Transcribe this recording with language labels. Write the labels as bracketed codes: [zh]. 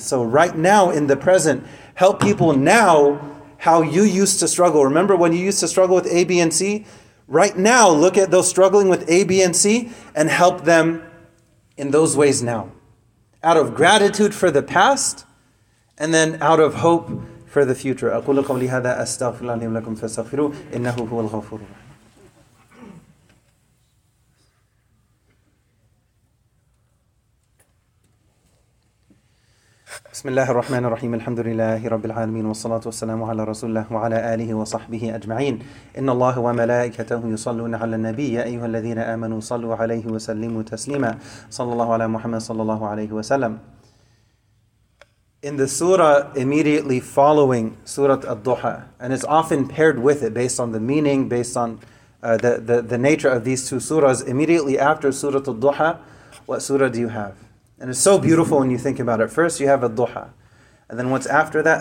[en] So right now in the present, help people now how you used to struggle. Remember when you used to struggle with A, B, and C? Right now, look at those struggling with A, B, and C and help them in those ways now. Out of gratitude for the past, and then out of hope for the future. [ar] أقول قولي هذا أستغفر الله لي ولكم فاستغفروا إنه هو الغفور. بسم الله الرحمن الرحيم الحمد لله رب العالمين والصلاة والسلام على رسول الله وعلى آله وصحبه أجمعين إن الله وملائكته يصلون على النبي يا أيها الذين آمنوا صلوا عليه وسلموا تسليما صلى الله على محمد صلى الله عليه وسلم. [en] In the surah immediately following Surah Ad-Duha, and it's often paired with it based on the meaning, based on the nature of these two surahs, immediately after Surah Ad-Duha, what surah do you have? And it's so beautiful when you think about it. First you have Ad-Duha, and then what's after that?